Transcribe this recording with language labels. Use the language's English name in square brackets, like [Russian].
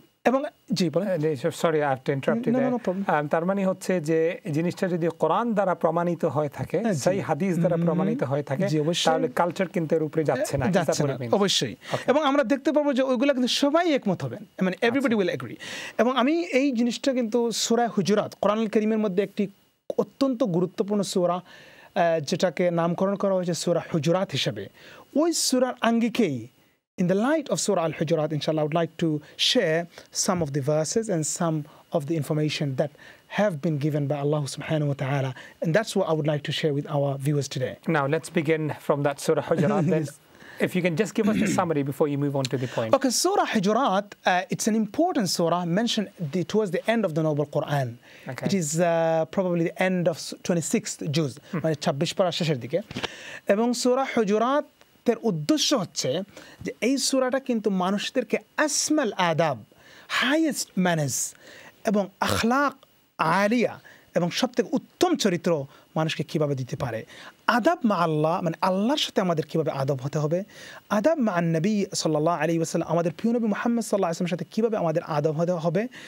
[Bangla] এবং জি বলেন, [English] sorry I have to interrupt you, [Bangla] তার মানে হচ্ছে যে জিনিসটা যদি কোরআন দ্বারা প্রমাণিত হয়ে থাকে, সেই হাদিস দ্বারা প্রমাণিত হয়ে থাকে, তাহলে কালচার কিন্তু এর উপরে যাচ্ছে না, অবশ্যই। এবং আমরা দেখতে পাবো যে ওইগুলো কিন্তু সবাই একমত হবেন, মানে [English] Everybody will agree. [Bangla] এবং আমি এই জিনিসটা কিন্তু সূরা হুজুরাত কোরআন করিমের মধ্যে একটি অত্যন্ত গুরুত্বপূর্ণ সূরা যেটাকে নামকরণ করা হয়েছে সূরা হুজুরাত হিসেবে, ওই সূরার আঙ্গিকেই [English] in the light of surah al-hujurat inshallah I would like to share some of the verses and some of the information that have been given by Allah subhanahu wa ta'ala, and that's what I would like to share with our viewers today. Now let's begin from that surah al-hujurat. Yes. If you can just give us the summary before you move on to the point. Okay, surah al-hujurat, it's an important surah mentioned towards the end of the noble Quran. Okay. It is probably the end of 26th juz, [Bangla] মানে 26 পারা শেষের দিকে, এবং surah al-hujurat তার উদ্দেশ্য হচ্ছে যে এই সূরাটা কিন্তু মানুষদেরকে আসমাল আদাব, [English] highest manners [Bangla] এবং আখলাক আলিয়া এবং সবথেকে উত্তম চরিত্র মানুষকে কীভাবে দিতে পারে, আদাব মা আল্লাহ মানে আল্লাহর সাথে আমাদের কীভাবে আদব হতে হবে, আদাব মা আন্নবী সাল্লাল্লাহু আলাইহি ওয়াসাল্লাম আমাদের প্রিয় নবী মুহাম্মদ সাল্লাল্লাহু আলাইহি সাথে কীভাবে আমাদের আদব হতে হবে,